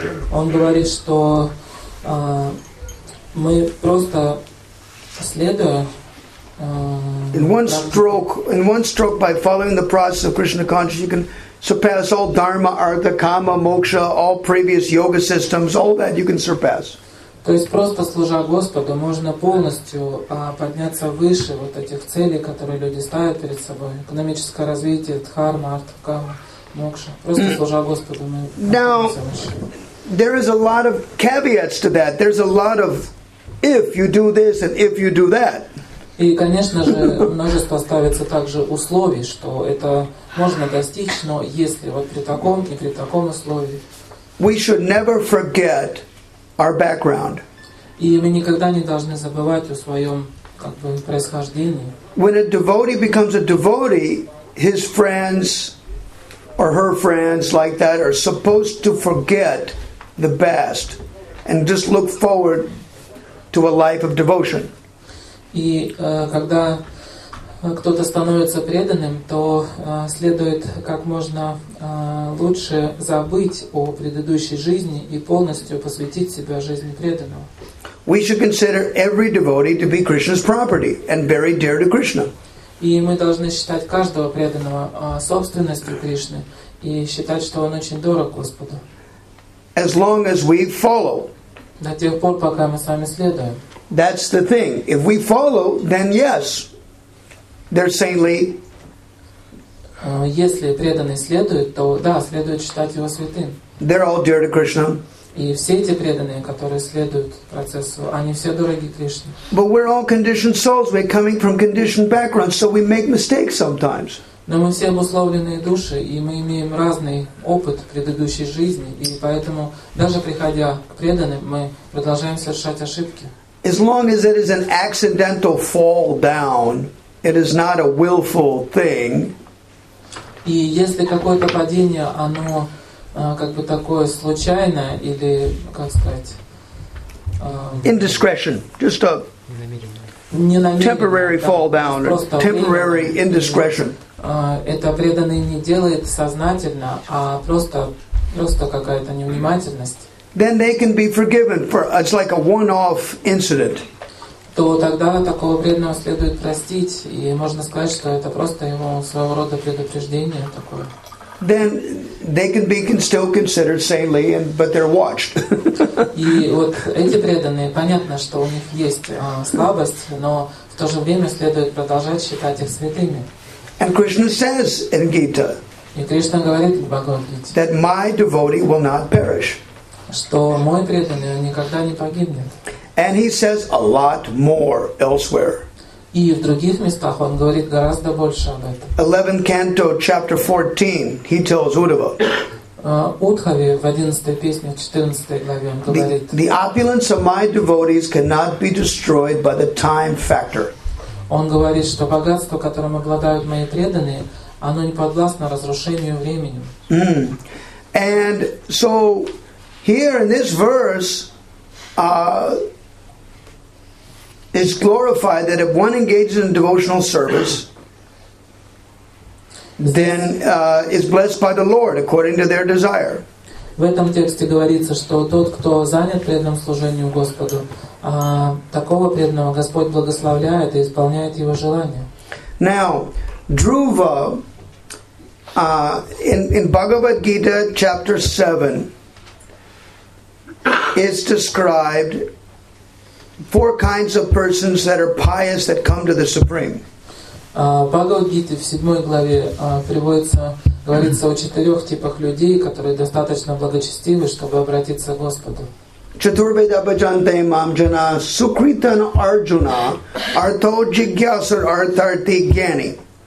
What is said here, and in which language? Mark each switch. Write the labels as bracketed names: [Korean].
[Russian] Он говорит, что мы просто следуя [English] In one stroke by following the process of Krishna consciousness, you can surpass all dharma, artha, kama, moksha, all previous yoga systems, all that you can surpass. [Russian] То есть просто служа Господу, можно полностью подняться выше вот этих целей, которые люди ставят перед собой. Экономическое развитие, дхарма, артха, кама, мокша. Просто служа Господу, мы подняться выше. [English] There is a lot of caveats to that. There's a lot of if you do this and if you do that. [Russian] И, конечно же, множество ставится также условий, что это можно достичь, но если вот при таком и при таком условии. [English] We should never forget our background. [Russian] И мы никогда не должны забывать о своем как бы происхождении. [English] When a devotee becomes a devotee, his friends or her friends like that are supposed to forget the past and just look forward to a life of devotion. [Russian] И когда кто-то становится преданным, то следует как можно лучше забыть о предыдущей жизни и полностью посвятить себя жизни преданного. [English] We should consider every devotee to be Krishna's property and very dear to Krishna. [Russian] И мы должны считать каждого преданного собственностью Кришны и считать, что он очень дорог Господу. [English] As long as we follow. [Russian] До тех пор, пока мы с вами следуем. [English] That's the thing. If we follow, then yes. They're saintly. [Russian] Если преданный следует, то да, следует считать его святым. [English] They're all dear to Krishna. [Russian] И все эти преданные, которые следуют процессу, они все дороги Кришне. [English] But we're all conditioned souls. We're coming from conditioned backgrounds, so we make mistakes sometimes. [Russian] Но мы все обусловленные души, и мы имеем разный опыт предыдущей жизни, и поэтому даже приходя к преданным, мы продолжаем совершать ошибки. [English] As long as it is an accidental fall down. It is not a willful thing. [Russian] И если какое-то падение, оно как бы такое случайное или как сказать, [English] indiscretion, just a temporary fall down, temporary indiscretion. [Russian] Это преданный не делает сознательно, а просто какая-то невнимательность. [English] Then they can be forgiven for it's like a one-off incident. [Russian] То тогда такого преданного следует простить, и можно сказать, что это просто его своего рода предупреждение такое. [English] Then they can be still considered saintly, but they're watched. [Russian] И вот эти преданные, понятно, что у них есть слабость, но в то же время следует продолжать считать их святыми. [English] And Krishna says in Gita. [Russian] И Кришна говорит в Бхагавад-гите. [English] That my devotee will not perish. [Russian] Что мой преданный никогда не погибнет. [English] And he says a lot more elsewhere. [Russian] И в других местах он говорит гораздо больше об этом. [English] 11th canto, chapter 14, he tells Uddhava. [Russian] Удхаве в 11 песне, 14 главе он говорит. [English] The opulence of my devotees cannot be destroyed by the time factor. [Russian] Он говорит, что богатство, которым обладают мои преданные, оно не подвластно разрушению временем. [English] And so here in this verse. It's glorified that if one engages in devotional service, then is blessed by the Lord according to their desire. [Russian] В этом тексте говорится, что тот, кто занят преданным служением Господу, такого преданного Господь благословляет и исполняет его желание. [English] Now, Dhruva, in Bhagavad Gita chapter 7, is described four kinds of persons that are pious that come to the Supreme. [Russian] Bhagavad Gita в 7 главе приводится говорится о четырех типах людей, которые достаточно благочестивы, чтобы обратиться к Господу. [Sanskrit] Чатурведа баджанте мамджана сукритан арджуна арто джигьясар артарти гьяни.